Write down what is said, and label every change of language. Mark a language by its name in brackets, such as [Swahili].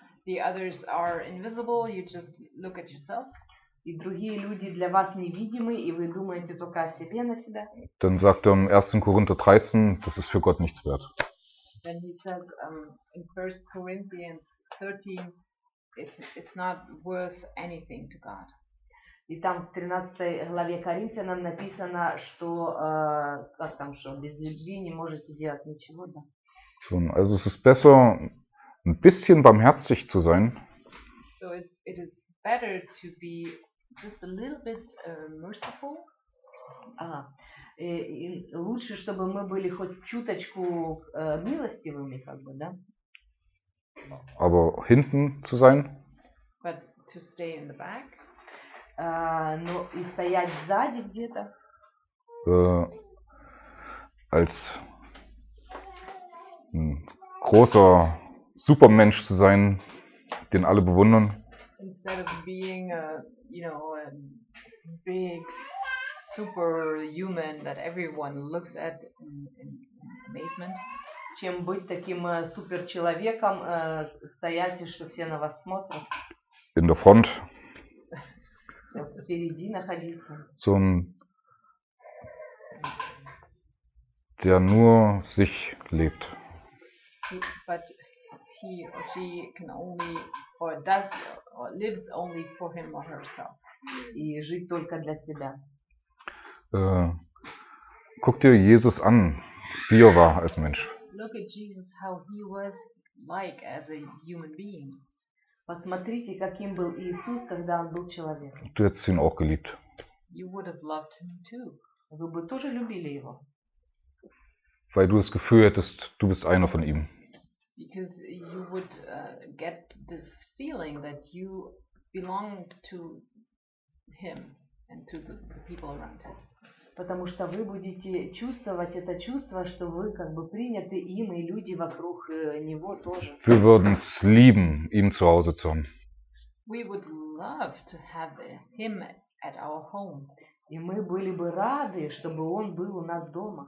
[English] The others are invisible, you just look at yourself. [Russian] И другие люди для вас невидимы, и вы думаете только о себе, на себя. [German] Dann sagt er im 1. Korinther 13, das ist für Gott nichts wert. [English] Then he says in 1 Corinthians 13, it's not worth anything to God. [Russian] И там в 13 главе Коринфянам написано, что как там, что без любви не можете делать ничего, да? [German] So, also es ist besser, ein bisschen barmherzig zu sein. [English] So it is better to be just a little bit merciful. [Russian] И лучше, чтобы мы были хоть чуточку милостивыми, как бы, да? [German] Aber hinten zu sein. [English] But to stay in the back. [Russian] Но и стоять сзади где-то. [German] Als ein großer Supermensch zu sein, den alle bewundern. [English] Instead of being a, you know, a big superhuman that everyone looks at in amazement. [Russian] Чем быть таким суперчеловеком, стоять, что все на вас смотрят. [English] In the front. [Russian] Впереди находиться. [German] Der nur sich lebt. [English] But he or she can only, or does, or lives only for him or herself. [Russian] И жить только для себя. [German] Guck dir Jesus an, wie er war als Mensch. [English] Look at Jesus, how he was like as a human being. [Russian] Посмотрите, каким был Иисус, когда он был человеком. [German] Du hättest ihn auch geliebt. [English] You would have loved him too. [Russian] Вы бы тоже любили его. [German] Weil du das Gefühl hättest, du bist einer von ihm. [English] Because you would get this feeling that you belong to him and to the people around him. [Russian] Потому что вы будете чувствовать это чувство, что вы как бы приняты им, и люди вокруг него тоже. [German] Wir würden es lieben, ihn zu Hause zu haben. [English] We would love to have him at our home. [Russian] И мы были бы рады, чтобы он был у нас дома.